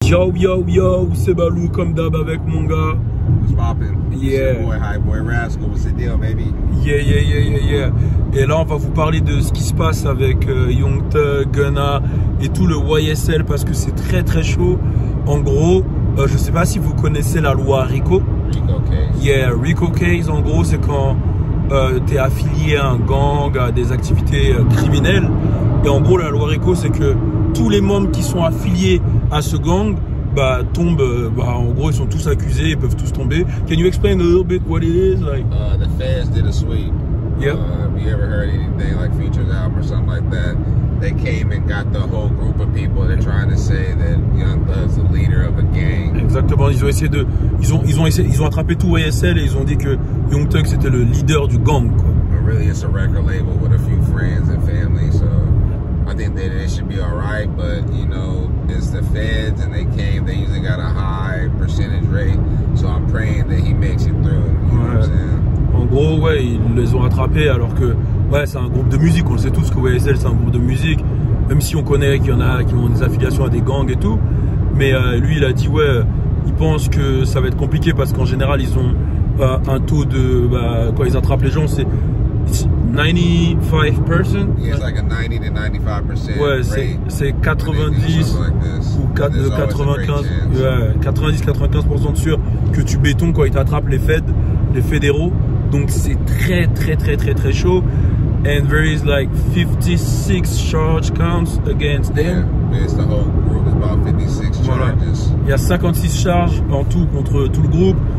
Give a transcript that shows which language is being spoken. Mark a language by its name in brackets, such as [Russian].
[French] Yo yo yo, c'est Baloo comme d'hab avec mon gars. [English] What's poppin'? Yeah. Boy, high boy, Rascal, what's the deal, baby? Yeah, yeah, yeah, yeah, yeah. [French] Et là, on va vous parler de ce qui se passe avec Young Thug, Gunna et tout le YSL parce que c'est très très chaud. En gros, je sais pas si vous connaissez la loi Rico. [English] Rico case. [French] Yeah, Rico case, en gros, c'est quand t'es affilié à un gang, à des activités criminelles. Et en gros, la loi Rico, c'est que tous les membres qui sont affiliés à ce gang, bah, tombent, bah, en gros, ils sont tous accusés, ils peuvent tous tomber. [English] Can you explain a little bit what it is? Like? The feds did a sweep. Yep. Have you ever heard anything like Future's album or something like that? They came and got the whole group of people. They're trying to say that Young Thug's the leader of a gang. [French] Exactement. Ils ont essayé de. Ils ont attrapé tout YSL et ils ont dit que Young Thug c'était le leader du gang. [English] But really, it's a record label with a few friends and family. So I think that it should be all right. But you know, it's the feds and they came. They usually got a high percentage rate. So I'm praying that he makes it through. You know what I'm saying? [French] En gros, ouais, ils les ont attrapés alors que. Ouais, c'est un groupe de musique, on sait tous que YSL c'est un groupe de musique, même si on connaît qu'il y en a qui ont des affiliations à des gangs et tout. Mais lui, il a dit, ouais, il pense que ça va être compliqué parce qu'en général, ils ont un taux de. Bah, quand ils attrapent les gens, c'est 95%. [English] Yeah, it's like a 90-95%. [French] Ouais, c'est 90 ou 95. Ouais, 90-95% de sûr que tu bétons quand ils t'attrapent les feds, les fédéraux. Donc c'est très très très très très chaud. [English] And there is like 56 charge counts against them. Yeah, it's the whole group, it's about 56 charges. [French] Voilà. Il y a 56 charges en tout contre tout le groupe.